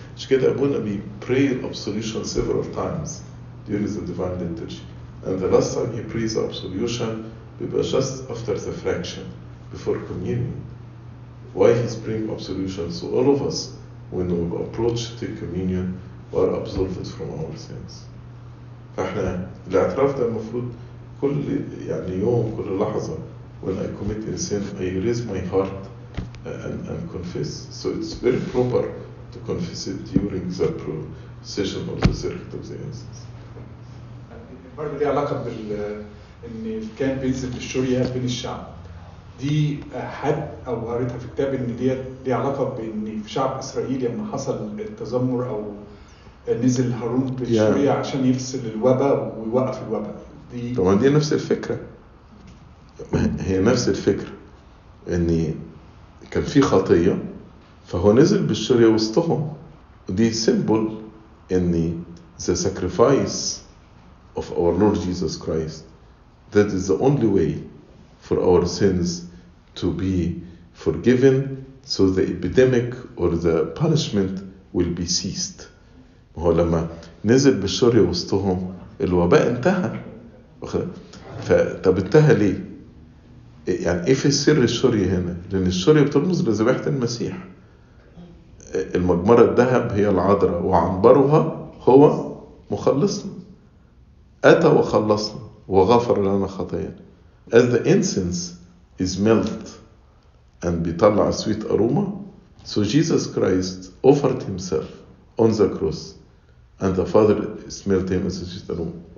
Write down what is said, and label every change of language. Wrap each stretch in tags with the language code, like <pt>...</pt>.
<ar>مش كده أبونا بي</ar> <en>pray absolution several times during the divine liturgy. And the last time he prays absolution</en> <ar>بيبقى</ar> <en>just after the fraction before communion. Why he's praying absolution? So all of us when we approach the communion we are absolved from our sins.</en> <ar>فاحنا الاعتراف ده المفروض كل يعني يوم كل لحظة.</ar> <en>When I commit a sin I raise my heart and confess. So it's very proper to confess it during the procession of the circuit of the incense.</en> <ar>برضه ليها علاقة بال إن كان بينزل بالشرية بين الشعب. دي حد أو قريتها في كتاب إن ليها علاقة بإن في شعب إسرائيل لما حصل التذمر أو نزل هارون بالشرية عشان يفصل الوباء ويوقف الوباء. دي طبعا دي نفس الفكرة. هي نفس الفكرة. إن كان في خطية فهو نزل بالشرية وسطهم. دي سيمبل ان</ar> <en>the sacrifice of our Lord Jesus Christ that is the only way for our sins to be forgiven so the epidemic or the punishment will be ceased.</en> <ar>هو لما نزل بالشرية وسطهم الوباء انتهى. فطب انتهى ليه؟ يعني ايه في سر الشوري هنا؟ لان الشوري بترمز لذبيحة المسيح. المجمرة الذهب هي العذراء وعنبرها هو مخلصنا. اتى وخلصنا وغفر لنا خطايانا.</ar> <en>As the incense is melt and</en> <ar>بيطلع</ar> <en>sweet aroma, so Jesus Christ offered himself on the cross and the Father smelt him as a sweet aroma.</en>